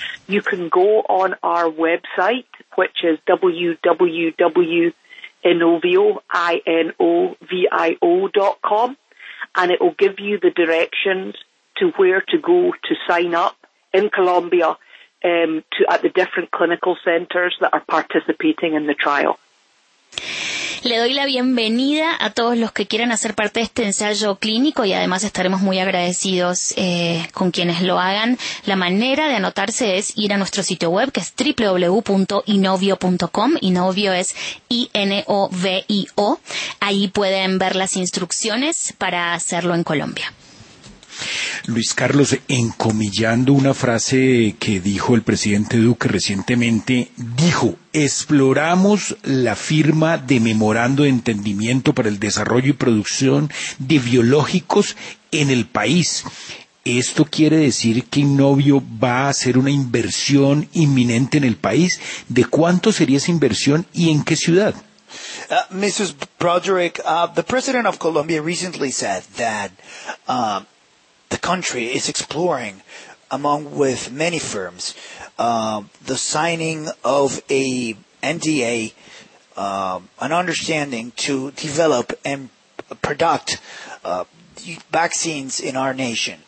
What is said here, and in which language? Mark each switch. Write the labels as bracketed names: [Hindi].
[English] You can go on our website, which is www.inovio.com, and it will give you the directions to where to go to sign up in Colombia at the different clinical centers that are participating in the trial. [Spanish] Le doy la bienvenida a todos los que quieran hacer parte de este ensayo clínico y además estaremos muy agradecidos con quienes lo hagan. La manera de anotarse es ir a nuestro sitio web, que es www.inovio.com. Inovio es I-N-O-V-I-O. Ahí pueden ver las instrucciones para hacerlo en Colombia. Luis Carlos, encomillando una frase que dijo el presidente Duque recientemente, dijo: exploramos la firma de memorando de entendimiento para el desarrollo y producción de biológicos en el país. ¿Esto quiere decir que Inovio va a hacer una inversión inminente en el país? ¿De cuánto sería esa inversión y en qué ciudad? [English] Mrs. Broderick, the president of Colombia recently said that the country is exploring, among with many firms, the signing of a NDA, an understanding to develop and product vaccines in our nation.